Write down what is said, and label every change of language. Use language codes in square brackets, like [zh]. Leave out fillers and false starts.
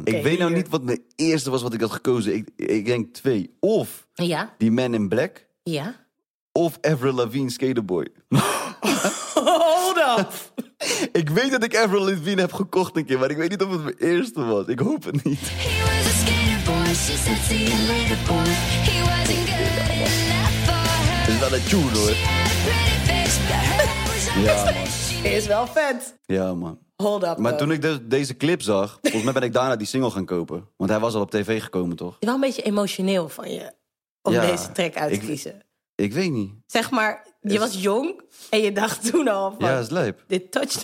[nl] Okay, ik weet nou niet wat de eerste was wat ik had gekozen. Ik denk twee. Of ja? Die Man in Black. Ja. Of Avril Lavigne Skaterboy. [en] Hold up! [nl] Ik weet dat ik Avril Lavigne heb gekocht een keer, maar ik weet niet of het mijn eerste was. Ik hoop het niet. [en] He was a skaterboy, she said see you later boy. He wasn't good enough for her. [nl] Is dat een tune, hoor. Ja, man. Is wel vet. Ja, man. [en] Hold up. [nl] Maar toen ik deze clip zag, volgens mij ben ik daarna die single gaan kopen. Want hij was al op tv gekomen, toch? Wel een beetje emotioneel van je om deze track uit te kiezen. Ik weet niet. Zeg maar, je was jong en je dacht toen al van... Ja, is lijp. Dit touched